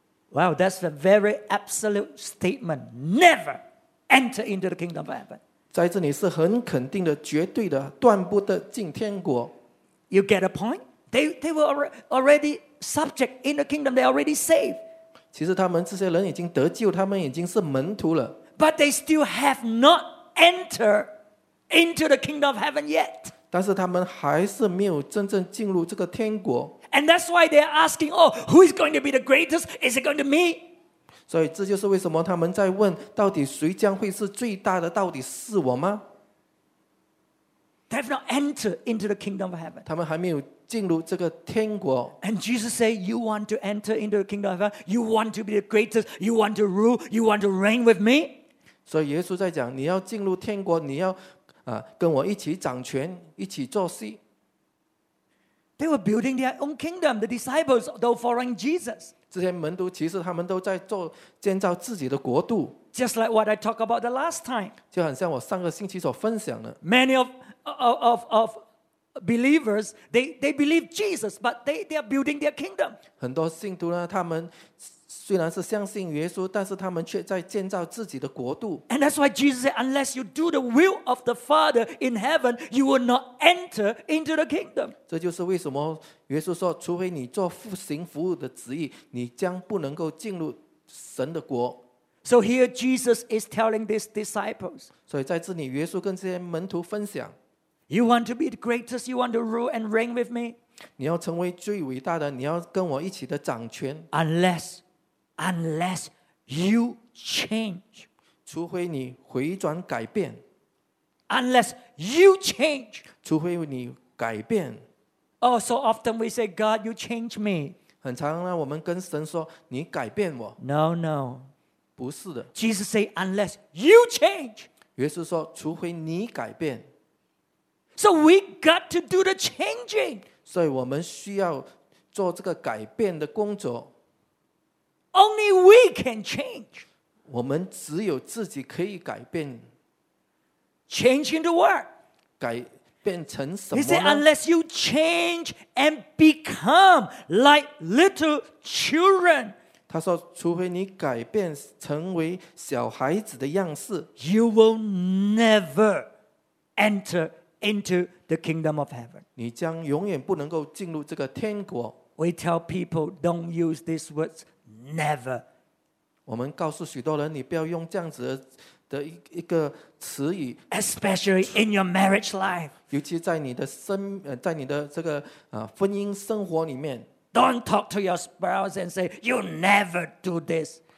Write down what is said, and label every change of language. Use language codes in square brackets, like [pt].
[en] Wow, that's a very absolute statement. Never enter into the kingdom of heaven. [zh] 在这里是很肯定的，绝对的，断不得进天国。 [en] You get a point? They were already subject in the kingdom. They already saved. [zh] 其实他们这些人已经得救，他们已经是门徒了。 [en] But they still have not entered into the kingdom of heaven yet. [zh] 但是他们还是没有真正进入这个天国。 [en] And that's why they're asking, oh, who is going to be the greatest? Is it going to be me? [zh] 所以这就是为什么他们在问，到底谁将会是最大的？到底是我吗？ [en] They have not entered into the kingdom of heaven. [zh] 他们还没有进入这个天国。 [en] And Jesus said, you want to enter into the kingdom of heaven? You want to be the greatest? You want to rule? You want to reign with me? [zh] 所以耶稣在讲，你要进入天国，你要跟我一起掌权，一起做事。 [en] They were building their own kingdom. The disciples, though following Jesus, [zh] 这些门徒其实他们都在做建造自己的国度。 [en] Just like what I talked about the last time, [zh] 就很像我上个星期所分享的。 [en] Many of believers, they believe Jesus, but they are building their kingdom. [zh] 很多信徒呢，他们虽然是相信耶稣，但是他们却在建造自己的国度。 [en] And that's why Jesus said, unless you do the will of the Father in heaven, you will not enter into the kingdom. [zh] 这就是为什么耶稣说，除非你做父行父的旨意，你将不能够进入神的国。 [en] So here Jesus is telling these disciples. [zh] 所以在这里，耶稣跟这些门徒分享。 [en] You want to be the greatest, you want to rule and reign with me? [zh] 你要成为最伟大的，你要跟我一起的掌权。 [en] Unless you change. [zh] 除非你回转改变。 [en] Unless you change. [zh] 除非你改变。 [en] Oh, so often we say, God, you change me. [zh] 很常呢，我们跟神说，你改变我。 [en] No, no. [zh] 不是的。 [en] Jesus said, unless you change. [zh] 耶稣说，除非你改变。 [en] So we got to do the changing. [zh] 所以我们需要做这个改变的工作。 [en] Only we can change. [zh] 我们只有自己可以改变。 [en] Change into what? [zh] 改变成什么 [en] 呢？ He said, unless you change and become like little children. [zh] 他说，除非你改变成为小孩子的样式。 [en] You will never enter into the kingdom of heaven. [zh] 你将永远不能够进入这个天国。 [en] We tell people, don't use these words. Never. [zh] 我们告诉许多人，你不要用这样子的一个词语。 [en] Especially in your marriage life. [zh] 尤其在你的生，在你的这个婚姻生活里面。 [en] Don't talk to your spouse and say you never do this.